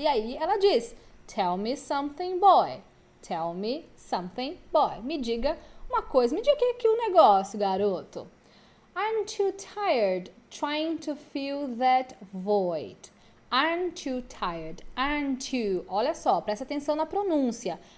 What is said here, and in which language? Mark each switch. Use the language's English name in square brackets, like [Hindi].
[Portuguese] E aí ela diz: [English] Tell me something, boy. Tell me something, boy. [Portuguese] Me diga uma coisa, me diga aqui o um negócio, garoto. [English] I'm too tired trying to fill that void. I'm too tired. Aren't you? [Portuguese] Olha só, presta atenção na pronúncia.